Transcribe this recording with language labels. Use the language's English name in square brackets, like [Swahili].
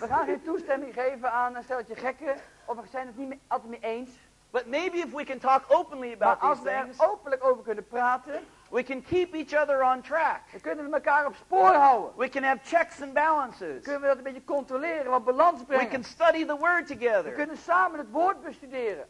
[Dutch] We gaan geen toestemming geven aan een stelletje gekken, of we zijn het niet altijd mee eens. [English] But maybe if we can talk openly about [Dutch] maar [English] these things. [Dutch] Als we er openlijk over kunnen praten. [English] We can keep each other on track. [Dutch] We kunnen elkaar op spoor houden. [English] We can have checks and balances. [Dutch] Kunnen we dat een beetje controleren, wat balans brengen. [English] We can study the word together. [Dutch] We kunnen samen het woord bestuderen.